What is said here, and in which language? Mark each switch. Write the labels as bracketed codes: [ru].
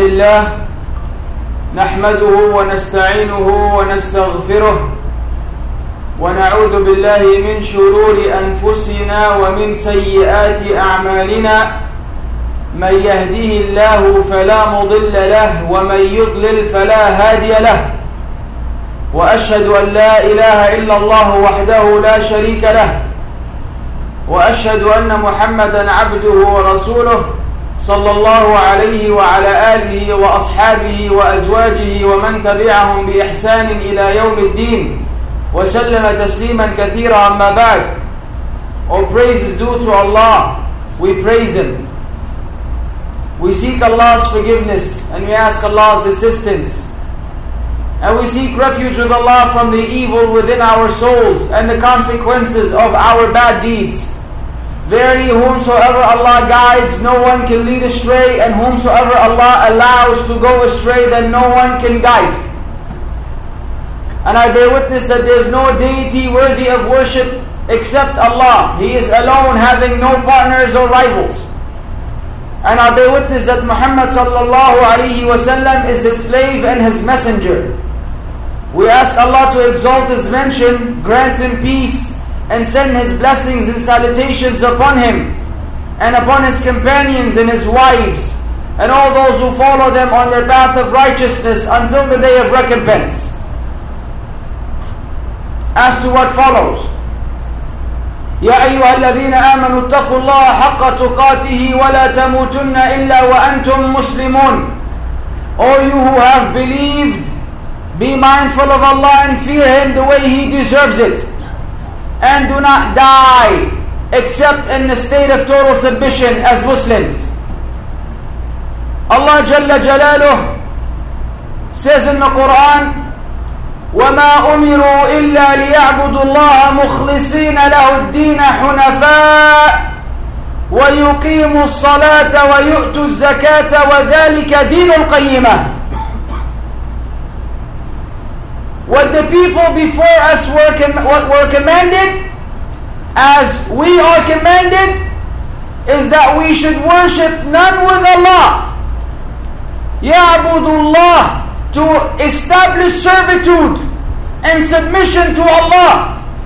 [ar] لله نحمده ونستعينه ونستغفره ونعوذ بالله من شرور أنفسنا ومن سيئات أعمالنا، من يهده الله فلا مضل له ومن يضلل فلا هادي له، وأشهد أن لا إله إلا الله وحده لا شريك له، وأشهد أن محمدًا عبده ورسوله صلى الله عليه وعلى آله وأصحابه وأزواجه ومن تبعهم بإحسان إلى يوم الدين وسلم تسليمًا كثيرًا. أما بعد، [en] all praises due to Allah, we praise Him. We seek Allah's forgiveness and we ask Allah's assistance. And we seek refuge with Allah from the evil within our souls and the consequences of our bad deeds. Verily, whomsoever Allah guides, no one can lead astray, and whomsoever Allah allows to go astray, then no one can guide. And I bear witness that there is no deity worthy of worship except Allah. He is alone, having no partners or rivals. And I bear witness that Muhammad sallallahu alayhi wa sallam is his slave and his messenger. We ask Allah to exalt his mention, grant him peace, and send his blessings and salutations upon him and upon his companions and his wives and all those who follow them on their path of righteousness until the day of recompense. As to what follows, [ar] يَا أَيُّهَا الَّذِينَ آمَنُوا اتَّقُوا اللَّهَ حَقَّ تُقَاتِهِ وَلَا تَمُوتُنَّ إِلَّا وَأَنْتُمْ مُسْلِمُونَ. [en] All you who have believed, be mindful of Allah and fear Him the way He deserves it, and do not die except in the state of total submission as Muslims. Allah Jalla Jalaluh says in the Quran, [ar] وَمَا أُمِرُوا إِلَّا لِيَعْبُدُوا اللَّهَ مُخْلِصِينَ لَهُ الدِّينَ حُنَفَاءَ وَيُقِيمُوا الصَّلَاةَ وَيُؤْتُوا الزَّكَاةَ وَذَلِكَ دِينُ الْقَيِّمَةِ. [en] What the people before us were commanded, as we are commanded, is that we should worship none with Allah. [ar] يَعْبُدُوا اللَّهَ, [en] to establish servitude and submission to Allah.